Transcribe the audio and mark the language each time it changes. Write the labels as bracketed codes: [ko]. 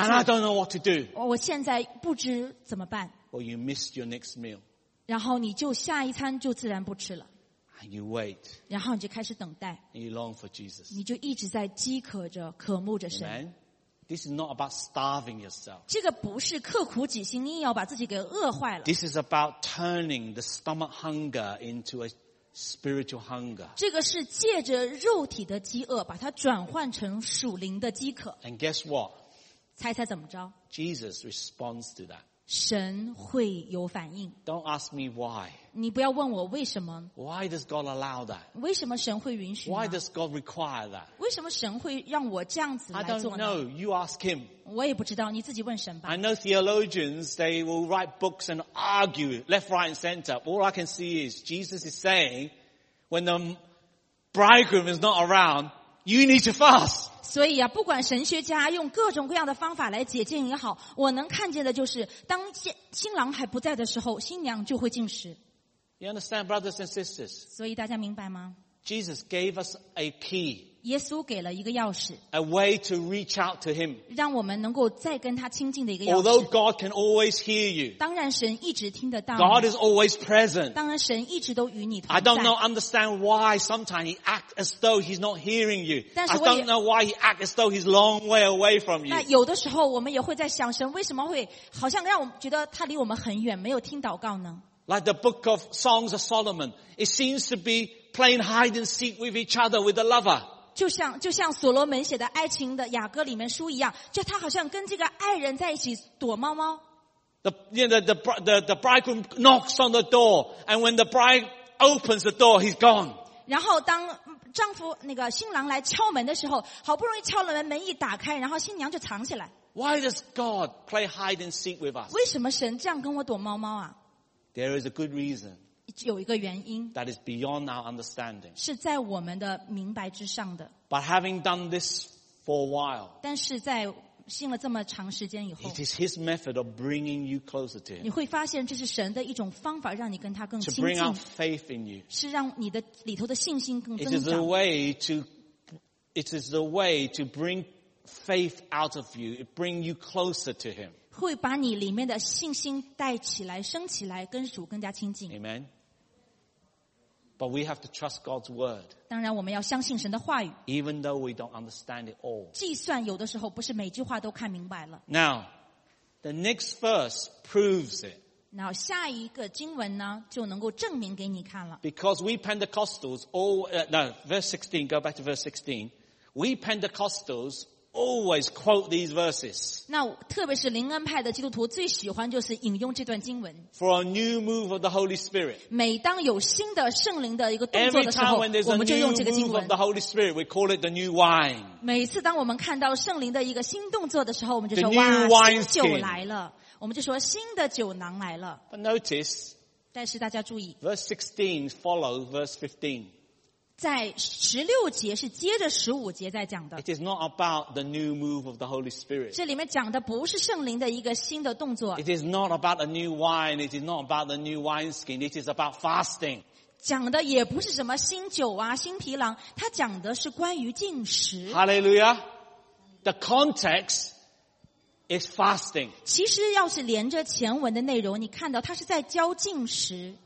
[en] And I don't know what to do. [zh] 我现在不知怎么办 [en] Well, you missed your next meal. [zh] 然后你就下一餐就自然不吃了 [en] And you wait. [zh] 然后你就开始等待 [en] And you long for Jesus. [zh] 你就一直在饥渴着渴慕着神 [en] Amen. This is not about starving yourself. [zh] 这个不是刻苦己心硬要把自己给饿坏了 [en] This is about turning the stomach hunger into a spiritual hunger. [zh] 这个是借着肉体的饥饿把它转换成属灵的饥渴。 [en] And guess what? [zh] 猜猜怎么着? [en] Jesus responds to that. [zh] 神会有反应。 [en] Don't ask me why. [zh] 你不要问我为什么。 [en] Why does God allow that? [zh] 为什么神会允许呢? [en] Why does God require that? [zh] 为什么神会让我这样子来做呢? [en] I don't know. You ask him. [zh] 我也不知道,你自己问神吧。 [en] I know theologians, they will write books and argue left, right and center. All I can see is Jesus is saying, when the bridegroom is not around,You need to fast. [zh] 所以啊，不管神学家用各种各样的方法来解禁也好，我能看见的就是，当新郎还不在的时候，新娘就会禁食。 [en] You understand, brothers and sisters? [zh] 所以大家明白吗 [en] ？Jesus gave us a key. [zh] 耶稣给了一个钥匙。 [en] A way to reach out to Him. [zh] 让我们能够再跟他亲近的一个钥匙。 [en] Although God can always hear you. [zh] 当然，神一直听得到。 [en] God is always present. [zh] 当然，神一直都与你同 [en] 在。I don't know understand why sometimes He acts as though He's not hearing you. I don't know why He acts as though He's long way away from you. [zh] 那有的时候我们也会在想，神为什么会好像让我们觉得他离我们很远，没有听祷告呢？ [en] Like the Book of Songs of Solomon, it seems to be playing hide and seek with each other with the lover. [zh] 就像所罗门写的爱情的雅歌里面书一样，就他好像跟这个爱人在一起躲猫猫。 [en] The bridegroom knocks on the door, and when the bride opens the door, he's gone. [zh] 然后当丈夫那个新郎来敲门的时候，好不容易敲了门，门一打开，然后新娘就藏起来。 [en] Why does God play hide and seek with us? [zh] 为什么神这样跟我躲猫猫啊 [en] ？There is a good reason. [zh] 有一个原因 [en] that is beyond our understanding. [zh] 是在我们的明白之上的 [en] But having done this for a while, [zh] 但是在信了这么长时间以后 [en] it is his method of bringing you closer to him. [zh] 你会发现这是神的一种方法让你跟他更亲近 [en] to bring out faith in you. [zh] 是让你的里头的信心更增长 [en] It is the way to bring faith out of you. It bring you closer to him. [zh] 会把你里面的信心带起来升起来跟主更加亲近 [en] Amen. But we have to trust God's word. [zh] 当然我们要相信神的话语 [en] Even though we don't understand it all. [zh] 计算有的时候不是每句话都看明白了 [en] Now, the next verse proves it. [zh] 那下一个经文呢就能够证明给你看了 [en] Because we Pentecostals verse 16, go back to verse 16. We Pentecostals,Always quote these verses. [zh] 那特别是灵恩派的基督徒最喜欢就是引用这段经文。 [en] For a new move of the Holy Spirit. [zh] 每当有新的圣灵的一个动作的时候，我们就用这个经文。 [en] Move of the Holy Spirit, we call it the new wine. [zh] 每次当我们看到圣灵的一个新动作的时候，我们就说 [en] the new wine [zh] 哇，新酒来了。我们就说新的酒囊来了。 [en] But notice. [zh] 但是大家注意。 [en] Verse 16 follows verse 15. [zh] 在十六节是接着十五节在讲的。 [en] It is not about the new move of the Holy Spirit. [zh] 这里面讲的不是圣灵的一个新的动作。 [en] It is not about a new wine. It is not about the new wineskin. It is about fasting. [zh] 讲的也不是什么新酒啊、新皮囊，它讲的是关于禁食。 [en] Hallelujah. The context is fasting. [zh] 其实要是连着前文的内容，你看到它是在教禁食。